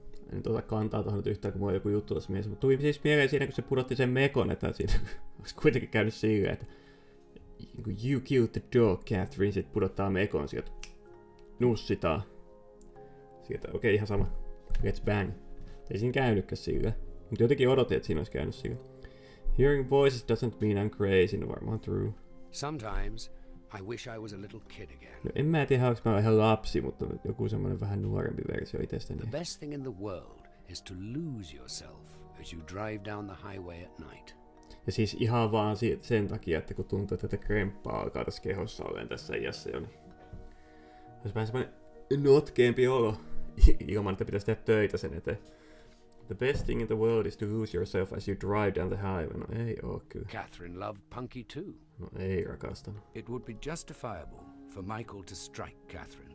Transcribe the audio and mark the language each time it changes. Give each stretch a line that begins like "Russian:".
Finnish: En nyt osaa kantaa tuohon yhtään, kun mulla on joku juttu tässä mielessä, mutta tuli siis mieleen siinä, kun se pudotti sen mekon, että siinä olisi kuitenkin käynyt silleen, että
English: you killed the dog,
Finnish: Catherine, sit pudottaa mekon sieltä, nussitaa. Sieltä, okei, ihan sama,
English: let's bang.
Finnish: Ei siinä käynytkään silleen, mutta jotenkin odotin, että siinä olisi käynyt silleen.
English: Hearing voices doesn't mean I'm crazy,
Finnish: no varmaan
English: true. Sometimes I wish I was a little kid again.
Finnish: No, en mä tiedä, onko mä ihan lapsi, mutta joku semmoinen vähän nuorempi versio itsestäni.
English: The best thing in the world is to lose yourself as you drive down the highway at night.
Finnish: Ja siis ihan vaan sen takia, että kun tuntuu, että kremppaa alkaa tässä kehossa olemaan tässä iässä jo, niin olisi vähän semmoinen notkeempi olo ilman, että pitäisi tehdä töitä sen eteen.
English: The best thing in the world is to lose yourself as you drive down the highway.
Finnish: No ei oo kyllä.
English: Catherine loved Punky too.
Finnish: No ei rakastanut.
English: It would be justifiable for Michael to strike Catherine.